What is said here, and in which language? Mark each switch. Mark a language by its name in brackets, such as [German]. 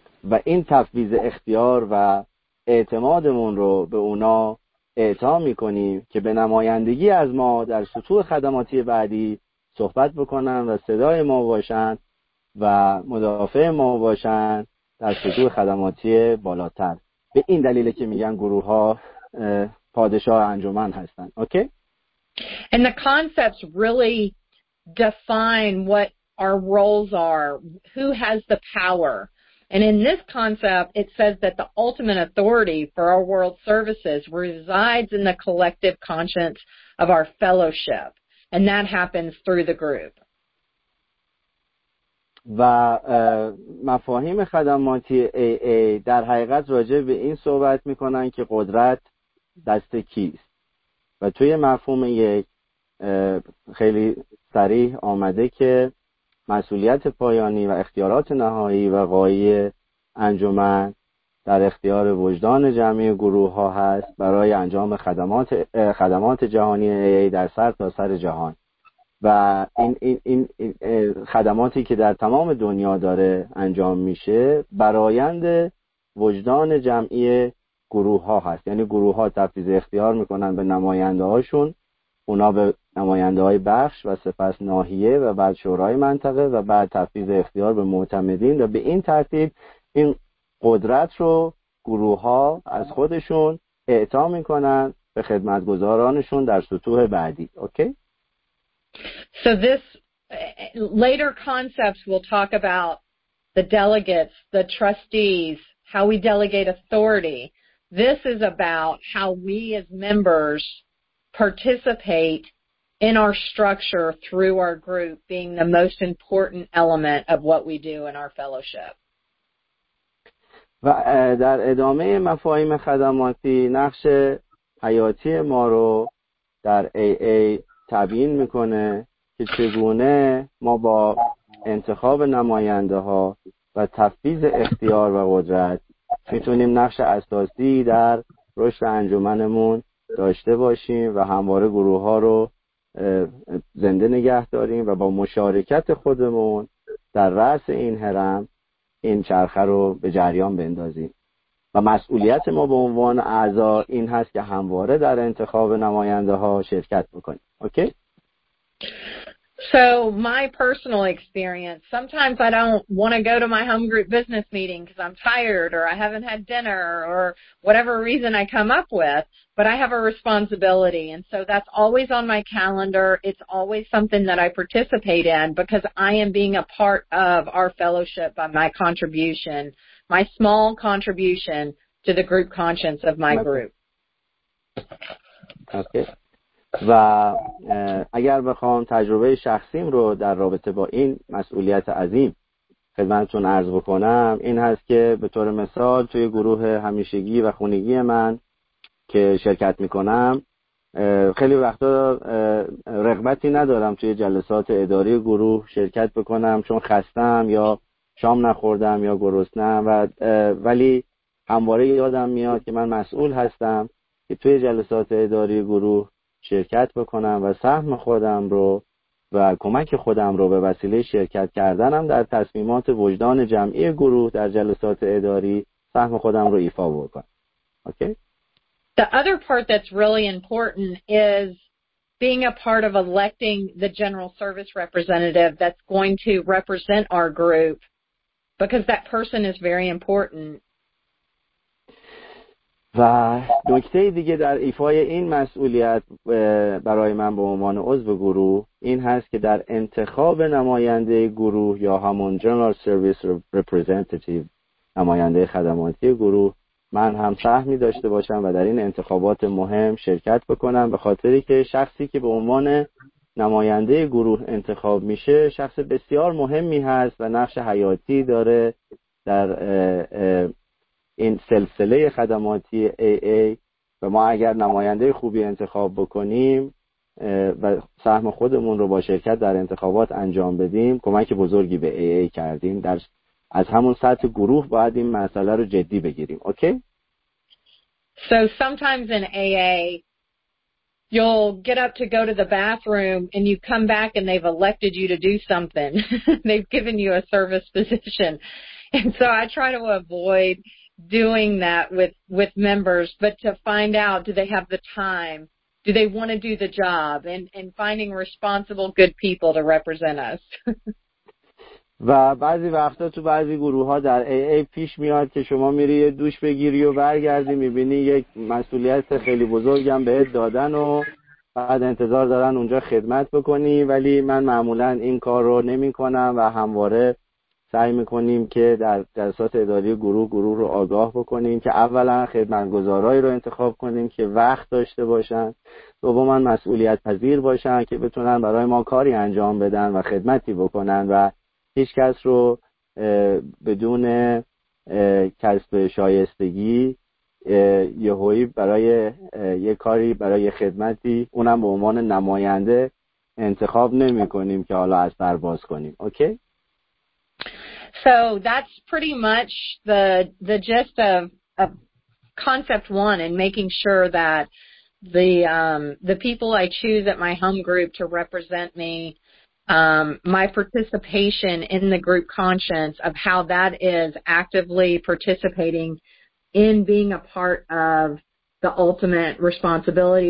[Persian] و این تفویض اختیار و اعتمادمون رو به اونا اعطا میکنیم که به نمایندگی از ما در سطوح خدماتی بعدی صحبت بکنن و صدای ما باشن و مدافع ما باشن در سطوح خدماتی بالاتر. به این دلیله که میگن گروه ها پادشاه انجمن هستن. اوکی؟ [English] And the concepts really define what our roles are, who has the power. And in this concept, it says that the ultimate authority for our world services resides in the collective conscience of our fellowship. And that happens through the group. [Persian] و مفاهیم خدماتی AA در حقیقت راجع به این صحبت میکنن که قدرت دست کیست. و توی مفهوم یک خیلی صریح آمده که مسئولیت پایانی و اختیارات نهایی و غایی انجمن در اختیار وجدان جمعی گروه ها هست برای انجام خدمات جهانی AA در سر تا سر جهان. و این خدماتی که در تمام دنیا داره انجام میشه برایند وجدان جمعی گروه ها هست. یعنی گروه ها تفویض اختیار میکنن به نماینده هاشون، اونا به نماینده های بخش و سپس ناحیه و بعد شورای منطقه و بعد تفویض اختیار به معتمدین، و به این ترتیب این قدرت رو گروه ها از خودشون اعطا میکنن به خدمتگزارانشون در سطوح بعدی. اوکی؟ [English] So this later concepts will talk about the delegates, the trustees, how we delegate authority. This is about how we as members participate in our structure through our group being the most important element of what we do in our fellowship. [Persian] و در ادامه مفاهیم خدماتی نقش حیاتی ما رو در AA تبیین میکنه که چگونه ما با انتخاب نماینده ها و تفویض اختیار و قدرت میتونیم نقش اساسی در رشد انجمنمون داشته باشیم و همواره گروه ها رو زنده نگه داریم و با مشارکت خودمون در رأس این هرم این چرخه رو به جریان بندازیم. و مسئولیت ما به عنوان اعضا این هست که همواره در انتخاب نماینده ها شرکت بکنیم. اوکی؟ [English] So my personal experience, sometimes I don't want to go to my home group business meeting because I'm tired or I haven't had dinner or whatever reason I come up with, but I have a responsibility. And so that's always on my calendar. It's always something that I participate in because I am being a part of our fellowship by my contribution, my small contribution to the group conscience of my group. Okay. [Persian] و اگر بخوام تجربه شخصیم رو در رابطه با این مسئولیت عظیم خدمتتون عرض بکنم، این هست که به طور مثال توی گروه همیشگی و خونگی من که شرکت میکنم خیلی وقتا رغبتی ندارم توی جلسات اداری گروه شرکت بکنم، چون خستم یا شام نخوردم یا گرسنه‌ام، ولی همواره یادم میاد که من مسئول هستم که توی جلسات اداری گروه شرکت بکنم و سهم خودم رو و کمک خودم رو به وسیله شرکت کردنم در تصمیمات وجدان جمعی گروه در جلسات اداری سهم خودم رو ایفا بکنم. [English] Okay? The other part that's really important is being a part of electing the general service representative that's going to represent our group, because that person is very important. [Persian] و نکته دیگه در ایفای این مسئولیت برای من به عنوان عضو گروه این هست که در انتخاب نماینده گروه یا همون [English] General Service Representative، [Persian] نماینده خدماتی گروه، من هم سهمی داشته باشم و در این انتخابات مهم شرکت بکنم، به خاطری که شخصی که به عنوان نماینده گروه انتخاب میشه شخص بسیار مهمی هست و نقش حیاتی داره در این سلسله خدماتی AA. و ما اگر نماینده خوبی انتخاب بکنیم و سهم خودمون رو با شرکت در انتخابات انجام بدیم، کمک بزرگی به AA کردیم. در از همون سطح گروه باید این مسئله رو جدی بگیریم. اوکی؟ [English] So sometimes in AA you'll get up to go to the bathroom and you come back and they've elected you to do something. They've given you a service position. And so I try to avoid doing that with members, but to find out, do they have the time? Do they want to do the job? And finding responsible, good people to represent us. [Persian] و بعضی وقتا تو بعضی گروه ها در AA پیش میاد که شما میری یه دوش بگیری و برگردی میبینی یک مسئولیت خیلی بزرگ هم بهت دادن و بعد انتظار دارن اونجا خدمت بکنی، ولی من معمولا این کار رو نمی کنم و همواره سعی میکنیم که در جلسات اداری گروه رو آگاه بکنیم که اولا خدمتگزارهایی رو انتخاب کنیم که وقت داشته باشن، دوما مسئولیت پذیر باشن که بتونن برای ما کاری انجام بدن و خدمتی بکنن و هیچ کس رو بدون کسب شایستگی یهویی برای یه کاری برای خدمتی اونم به عنوان نماینده انتخاب نمی کنیم که حالا از بر باز کنیم. اوکی؟ [English] So that's pretty much the gist of concept one, and making sure that the people I choose at my home group to represent me, my participation in the group conscience of how that is actively participating in being a part of the ultimate responsibility.